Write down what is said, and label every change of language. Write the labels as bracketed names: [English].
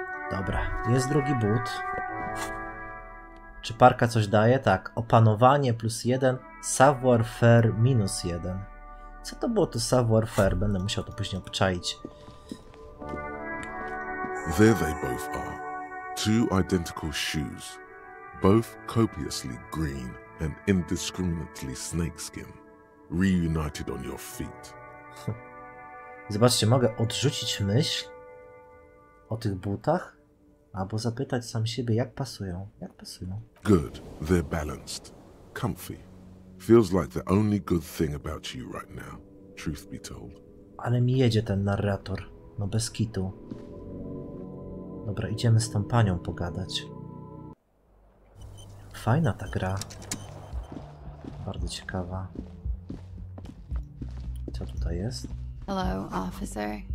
[Polish] Dobra, jest drugi but. Czy parka coś daje? Tak, opanowanie plus jeden, savoir faire minus jeden. Co to było to savoir faire? Będę musiał to później obczaić. [English] There they both are, Two identical shoes, both copiously green and indiscriminately snakeskin, reunited on your feet. [Polish] Zobaczcie, mogę odrzucić myśl o tych butach, albo zapytać sam siebie, jak pasują. Jak pasują? [English] Good. They're balanced. Comfy. Feels like the only good thing about you right now, truth be told. [Polish] Ale mi jedzie ten narrator. No bez kitu. Dobra, idziemy z tą panią pogadać. Fajna ta gra. Bardzo ciekawa. Co tutaj jest? [English] Hello, officer.